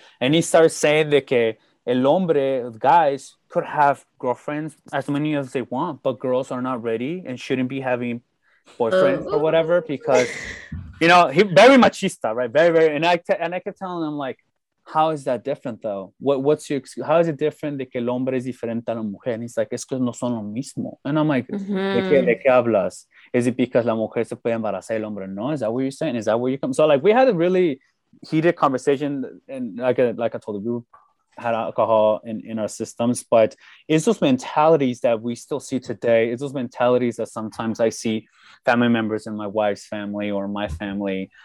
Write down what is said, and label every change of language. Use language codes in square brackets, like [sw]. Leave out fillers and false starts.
[en] And he starts saying that [es] el hombre, [en] guys, could have girlfriends as many as they want, but girls are not ready and shouldn't be having boyfriends or whatever because, you know, he very machista, right? Very, very. And I kept telling him, like, how is that different, though? What's your excuse? How is it different [es] de que el hombre es diferente a la mujer? [en] And he's like, [es] es que no son lo mismo. [en] And I'm like, [es] ¿De qué hablas? [en] Is it because [es] la mujer se puede embarazar el hombre? [en] No, is that what you're saying? Is that where you come? So, like, we had a really heated conversation. And like I told you, we had alcohol in our systems. But it's those mentalities that we still see today. It's those mentalities that sometimes I see family members in my wife's family or my family.